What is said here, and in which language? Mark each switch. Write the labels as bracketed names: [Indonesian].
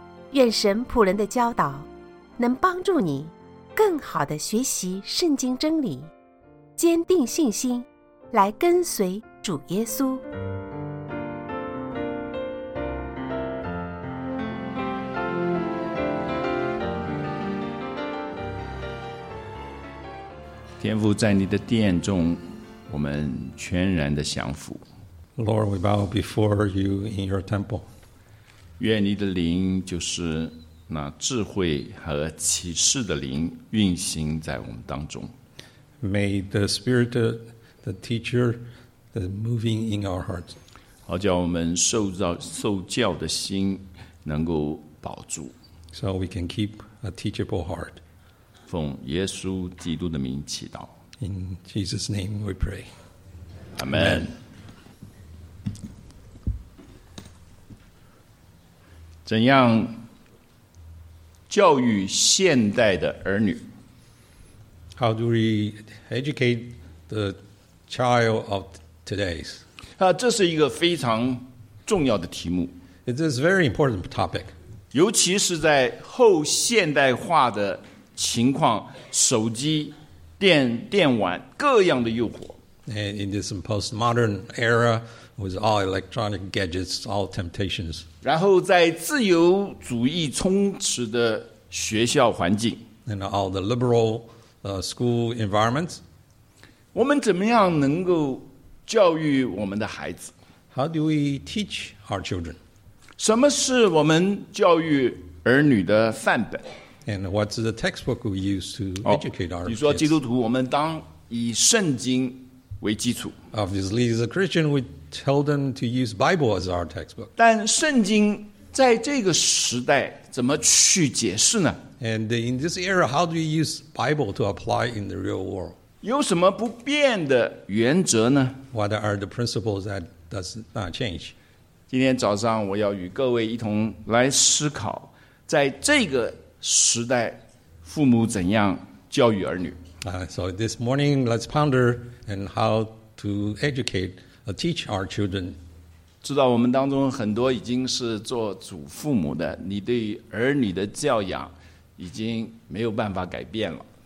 [Chinese] 愿神仆人的教导能帮助你更好地学习圣经真理，坚定信心来跟随主耶稣。天父，在你的殿中，我们全然的降服。 [English] Lord, we bow before you in your temple. [Chinese] 愿你的灵，就是那智慧和启示的灵，运行在我们当中。 [English] May the Spirit, the teacher, the moving in our hearts. [Chinese] 好叫我们受教的心能够保住。 [English] So we can keep a teachable heart. [Chinese] 奉耶稣基督的名祈祷。 [English] In Jesus' name we pray. Amen. [Chinese] 怎样教育现代的儿女？ [English] How do we educate the child of today's? [Chinese] 这是一个非常重要的题目。 [English] It is a very important topic. [Chinese] 尤其是在后现代化的情况，手机、电玩各样的诱惑。 [English] And in this postmodern era, with all electronic gadgets, all temptations. [Chinese] 然后在自由主义充斥的学校环境。 [English] And all the liberal school environments. [Chinese] 我们怎么样能够教育我们的孩子？ [English] How do we teach our children? [Chinese] 什么是我们教育儿女的范本？ [English] And what's the textbook we use to educate our kids? [Chinese] 你说基督徒，我们当以圣经为基础。 [English] Obviously, as a Christian, we tell them to use Bible as our textbook. [Chinese] 但圣经在这个时代怎么去解释呢？ [English] And in this era, how do you use Bible to apply in the real world? [Chinese] 有什么不变的原则呢？ [English] What are the principles that does not change? [Chinese] 今天早上我要与各位一同来思考，在这个时代父母怎样教育儿女。 [English] So this morning, let's ponder on how to educate or teach our children. [Chinese] 知道我们当中很多已经是做祖父母的，你对儿女的教养已经没有办法改变了。